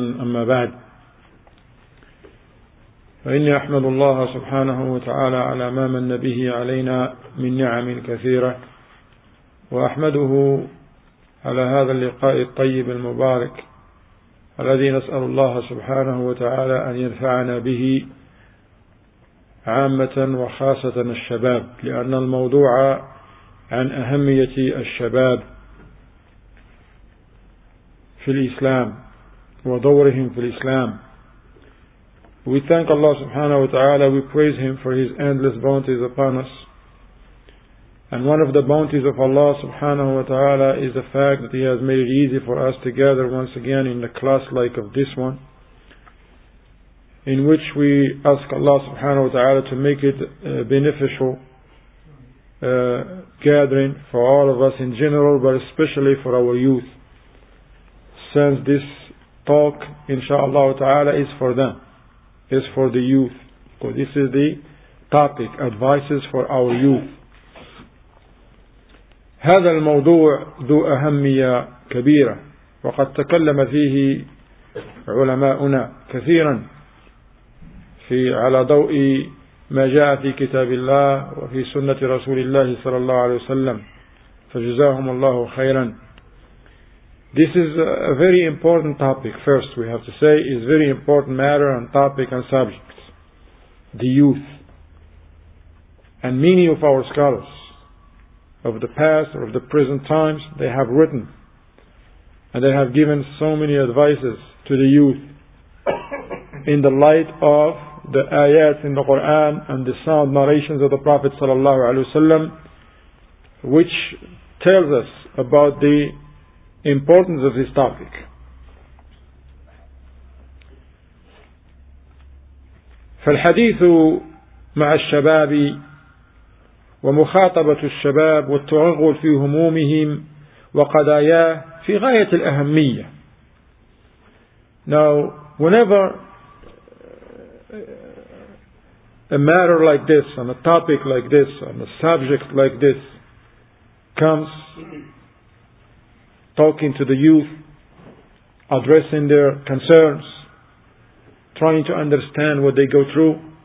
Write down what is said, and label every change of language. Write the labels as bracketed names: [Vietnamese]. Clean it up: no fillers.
[Arabic] أما بعد، فإني أحمد الله سبحانه وتعالى على ما من به علينا من نعم كثيرة، وأحمده على هذا اللقاء الطيب المبارك الذي نسأل الله سبحانه وتعالى أن ينفعنا به عامة وخاصة الشباب، لأن الموضوع عن أهمية الشباب في الإسلام ودورهم في الإسلام. [English] We thank Allah subhanahu wa ta'ala, we praise Him for His endless bounties upon us. And one of the bounties of Allah subhanahu wa ta'ala is the fact that He has made it easy for us to gather once again in a class like of this one, in which we ask Allah subhanahu wa ta'ala to make it beneficial gathering for all of us in general, but especially for our youth. Since this talk, inshaAllah ta'ala, is for them, is for the youth. So this is the topic, advices for our youth. [Arabic] هذا الموضوع ذو أهمية كبيرة وقد تكلم فيه علماؤنا كثيرا في على ضوء ما جاء في كتاب الله وفي سنة رسول الله صلى الله عليه وسلم فجزاهم الله خيرا. [English] This is a very important topic. First, we have to say, is very important matter and topic and subject. The youth. And many of our scholars of the past or of the present times, they have written and they have given so many advices to the youth in the light of the ayats in the Quran and the sound narrations of the Prophet sallallahu alaihi wasallam, which tells us about the importance of this topic. [Arabic] فالحديث مع الشباب ومخاطبة الشباب والتغول في همومهم وقضاياه في غاية الأهمية. [English] Now, whenever a matter like this, on a topic like this, on a subject like this comes, talking to the youth, addressing their concerns, trying to understand what they go through.